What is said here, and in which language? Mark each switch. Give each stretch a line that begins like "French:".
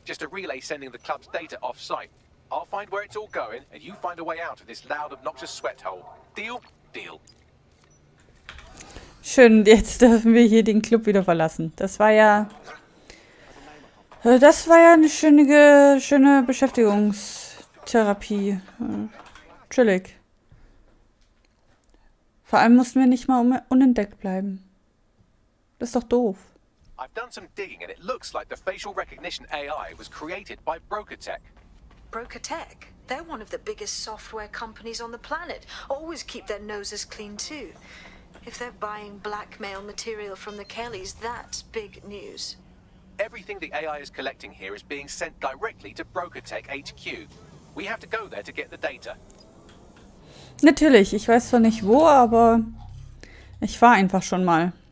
English: Just a relay sending the club's data off-site. I'll find where it's all going, and you find a way out of this loud, obnoxious sweat hole. Deal? Deal.
German: Schön, jetzt dürfen wir hier den Club wieder verlassen. Das war ja eine schöne Beschäftigungstherapie. Chillig. Vor allem mussten wir nicht mal unentdeckt bleiben. Das ist doch doof.
English: I've done some digging and it looks like the facial recognition AI was created by BrokerTech. BrokerTech? They're one of the biggest software companies on the planet. Always keep their noses clean too. If they're buying blackmail material from the Kellys, that's big news. Everything the AI is collecting here is being sent directly to BrokerTech HQ. We have to go there to get the data.
German: Natürlich, ich weiß zwar nicht wo, aber ich fahre einfach schon mal.